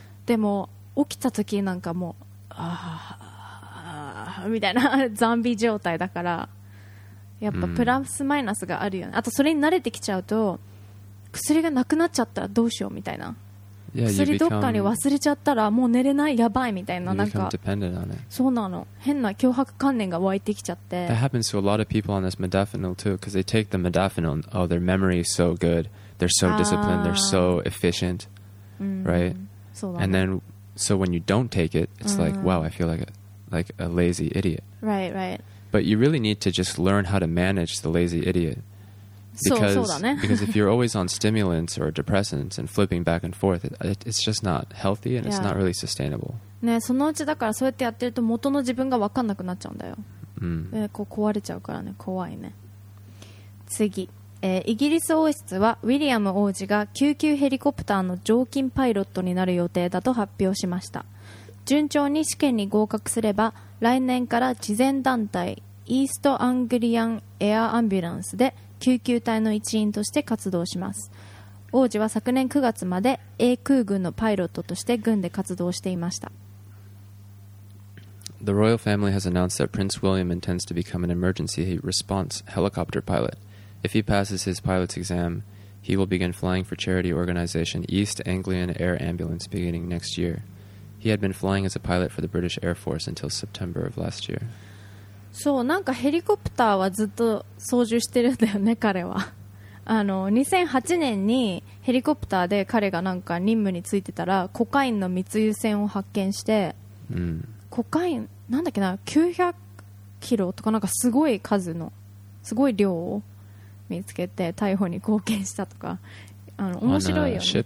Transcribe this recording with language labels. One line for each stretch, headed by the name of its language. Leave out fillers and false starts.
Japanese: でも起きた時なんかもうああみたいなゾンビ状態だから。やっぱプラスマイナスがあるよね、うん、あとそれに慣れてきちゃうと薬がなくなっちゃったらどうしようみたいな、
English: yeah,
Japanese: 薬どっかに忘れちゃったらもう寝れないやばいみたいな、なんか
English: dependent on it.
Japanese: そうなの。変な脅迫観念が湧いてきちゃって。
English: That happens to a lot of people on this Modafinil too, because they take the Modafinil. Oh, their memory is so good, they're so disciplined, they're so efficient、
Japanese: うん、
English: right?
Japanese: そうだ、ね、
English: And then so when you don't take it, it's like、うん、wow, I feel like a lazy idiot. Right, right. But you really need to just learn how to manage the lazy idiot. Because if you're always on stimulants or depressants and flipping back and forth, it's just not healthy and it's not really sustainable.
Japanese: ね、そのうちだからそうやってやってると元の自分が分かんなくなっちゃうんだよ、うん、でこう壊れちゃうからね怖いね次、イギリス王室はウィリアム王子が救急ヘリコプターの常勤パイロットになる予定だと発表しました。順調に試験に合格すれば来年から慈善団体イーストアングリアンエアアンビュランスで救急隊の一員として活動します。王子は昨年9月まで英空軍のパイロットとして軍で活動していました。
English: The royal family has announced that Prince William intends to become an emergency response helicopter pilot. If he passes his pilot's exam, he will begin flying for charity organization East Anglian Air Ambulance beginning next year. He had been flying as a pilot for the British Air Force until September of last year.
Japanese: そう、なんかヘリコプターはずっと操縦してるんだよね、彼は。あの2008年にヘリコプターで彼がなんか任務についてたらコカインの密輸船を発見して、うん、コカインなんだっけな900キロとかなんかすごい数のすごい量を見つけて逮捕に貢献したとかあの面白いよね。